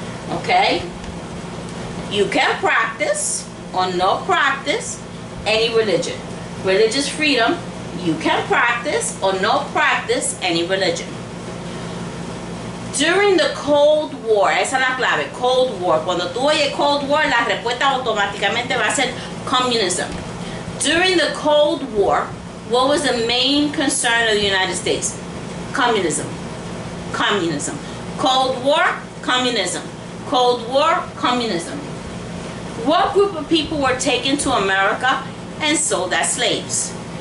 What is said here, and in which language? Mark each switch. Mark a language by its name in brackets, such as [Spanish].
[English] Ok, you can practice or not practice any religion. Religious freedom, you can practice or not practice any religion. During the Cold War, [Spanish] esa es la clave, [English] Cold War. [Spanish] Cuando tú oyes Cold War, la respuesta automáticamente va a ser communism. [English] During the Cold War, what was the main concern of the United States? Communism. Communism. Cold War, communism. Cold War, communism. What group of people were taken to America and sold as slaves?